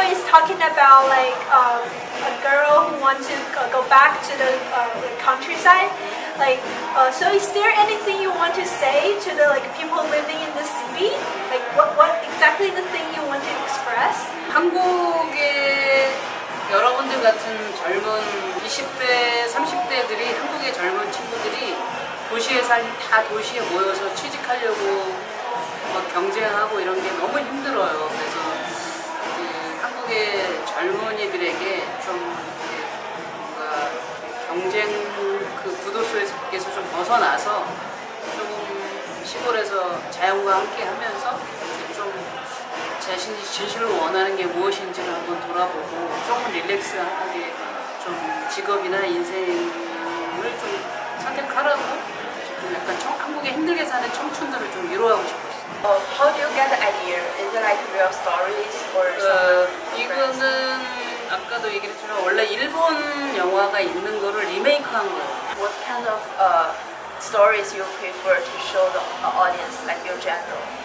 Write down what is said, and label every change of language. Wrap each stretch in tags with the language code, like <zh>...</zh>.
<en>talking about like a girl who wants to go back to the countryside. Like, so is there anything you want to say to the like people living in the city? Like, what exactly the thing you want to express?</en> <ko>한국의 여러분들 같은 젊은 20대, 30대들이 한국의 젊은 친구들이 도시에 살 다 도시에 모여서 취직하려고 막 경쟁하고 이런 게 너무 힘들어요. 그래서 한국의 젊은이들에게 좀 뭔가 경쟁 그 구도 속에서 좀 벗어나서 조금 시골에서 자연과 함께 하면서 좀 자신이 진실을 원하는 게 무엇인지를 한번 돌아보고 조금 릴렉스하게 좀 직업이나 인생을 좀 선택하라고 약간 한국에 힘들게 사는 청춘들을 좀 위로하고 싶었어요.</ko> <en>How do you get the idea? Is it like real stories or something?</en> <ko>이거는 아까도 얘기했지만 원래 일본 영화가 있는 거를 리메이크한 거예요.</ko> <en>What kind of stories you prefer to show the audience, like your genre?</en>